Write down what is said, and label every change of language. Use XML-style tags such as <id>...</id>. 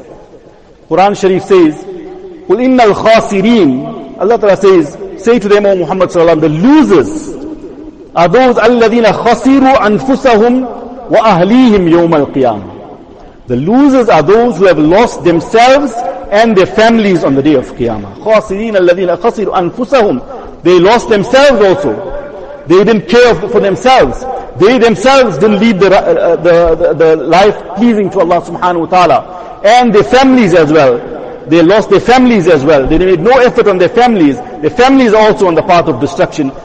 <en>Quran Sharif says,</en> <ar>"Qul innal khasirin,"</ar> <en>Allah Ta'ala says, "Say to them, O Muhammad sallallahu alaihi wasallam, the losers are those</en> <ar>alladhina khasiru anfusahum wa ahlihim yawm al-qiyam."</ar> <en>The losers are those who have lost themselves and their families on the day of Qiyamah.</en> <ar>خاسرين الذين خسروا أنفسهم.</ar> <en>They lost themselves also. They didn't care for themselves. They themselves didn't lead the life pleasing to Allah subhanahu wa ta'ala. And their families as well. They lost their families as well. They made no effort on their families. Their families are also on the path of destruction.</en>